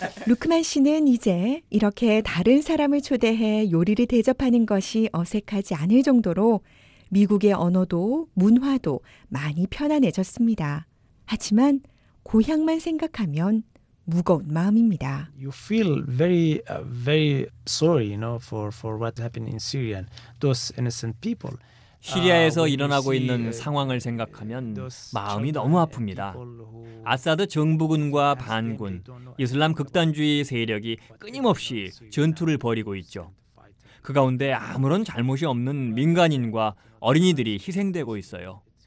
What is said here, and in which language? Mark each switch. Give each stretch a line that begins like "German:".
Korean: 루크만 씨는 이제 이렇게 다른 사람을 초대해 요리를 대접하는 것이 어색하지 않을 정도로 미국의 언어도 문화도 많이 편안해졌습니다. 하지만 고향만 생각하면 무거운 마음입니다.
English: You feel very, very sorry, you know, for what happened in Syria. Those innocent people.
Korean: 시리아에서 일어나고 있는 상황을 생각하면 마음이 너무 아픕니다. 아사드 정부군과 반군, 이슬람 극단주의 세력이 끊임없이 전투를 벌이고 있죠. 그 가운데 아무런 잘못이 없는 민간인과 어린이들이 희생되고 있어요.